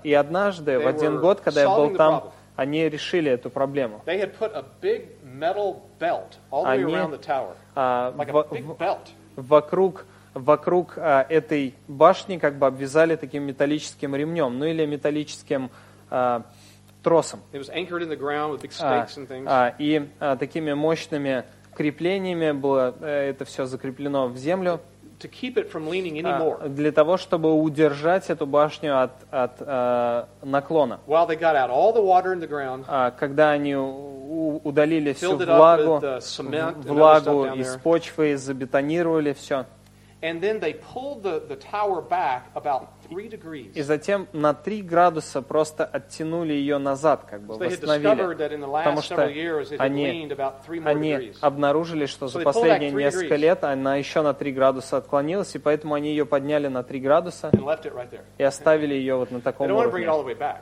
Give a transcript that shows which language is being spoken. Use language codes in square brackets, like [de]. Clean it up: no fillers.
[ru] и однажды, в один год, когда я был там, они решили эту проблему. [en] They had put a big metal belt all the way around the tower. [ru] Вокруг этой башни как бы обвязали таким металлическим ремнем, ну или металлическим тросом. [en] It was anchored in the ground with big stakes and things. [ru] Такими мощными креплениями было это все закреплено в землю. [en] To keep it from leaning anymore. [ru] Для того, чтобы удержать эту башню от наклона. [en] While they got out all the water in the ground. [ru] Когда они удалили всю влагу из почвы и забетонировали все. [en] And then they pulled the tower back about 3 degrees. [ru] И затем на 3 градуса просто оттянули ее назад, как бы восстановили. Потому что они обнаружили, что за последние несколько лет она еще на 3 градуса отклонилась, и поэтому они ее подняли на 3 градуса и оставили ее вот на таком уровне.